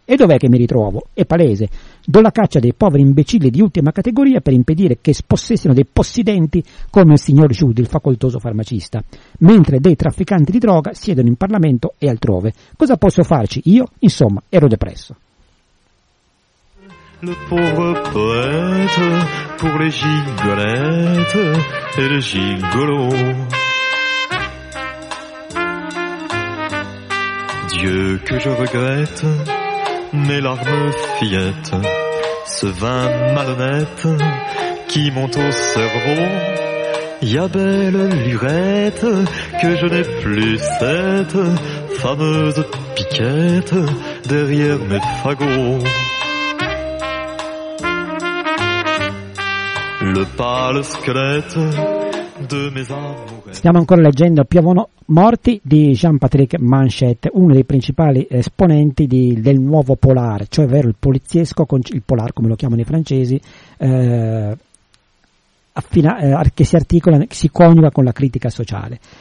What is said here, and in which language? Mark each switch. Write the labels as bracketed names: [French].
[Italian] E dov'è che mi ritrovo? È palese. Do la caccia dei poveri imbecilli di ultima categoria per impedire che spossessino dei possidenti come il signor Jude, il facoltoso farmacista, mentre dei trafficanti di droga siedono in Parlamento e altrove. Cosa posso farci? Io, insomma, ero depresso. [French] Le pauvre poète, pour les gigolettes et les gigolos. Dieu que je regrette, mes larmes fillettes, ce vin malhonnête qui monte au cerveau. Y'a belle lurette, que je n'ai plus cette fameuse piquette derrière mes fagots. Le pâle squelette de mes amours. [Italian] Stiamo ancora leggendo Piovono Morti di Jean-Patrick Manchette, uno dei principali esponenti del nuovo polar, cioè ovvero il poliziesco, il polar come lo chiamano i francesi, che si articola, che si coniuga con la critica sociale.